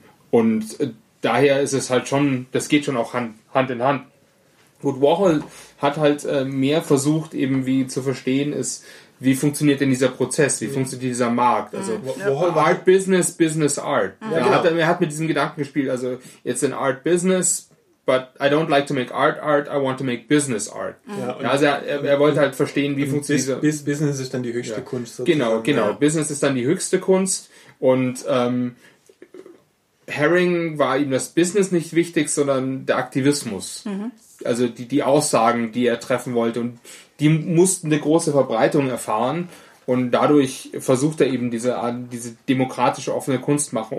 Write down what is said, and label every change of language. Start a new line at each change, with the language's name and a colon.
German: Und daher ist es halt schon, das geht schon auch Hand in Hand. Gut, Warhol hat halt mehr versucht, eben wie zu verstehen ist, wie funktioniert denn dieser Prozess? Wie funktioniert dieser Markt? Also Warhol war Art Business, Business Art. Ja, genau. Er hat mit diesem Gedanken gespielt.
English: Also it's an Art Business, but I don't like to make Art Art. I want to make Business Art.
German: Ja, also er wollte halt verstehen, wie funktioniert dieser Business ist dann die höchste Kunst. Sozusagen. Genau. Ja. Business ist dann die höchste Kunst und Haring war ihm das Business nicht wichtig, sondern der Aktivismus. Mhm. Also die Aussagen, die er treffen wollte und die mussten eine große Verbreitung erfahren und dadurch versucht er eben diese demokratische offene Kunst machen.